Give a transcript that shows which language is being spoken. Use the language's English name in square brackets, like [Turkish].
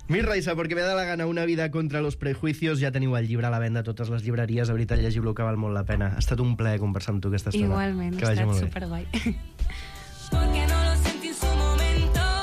[Spanish] Miss Raïssa, porque me da la gana, una vida contra los prejuicios. [Catalan] Ja teniu el llibre a la venda a totes les llibreries. De veritat, llegiu-lo, que val molt la pena. Ha estat un plaer conversar amb tu aquesta estona. Igualment, que ha estat superguai. [Spanish] Porque no lo sentí en su momento.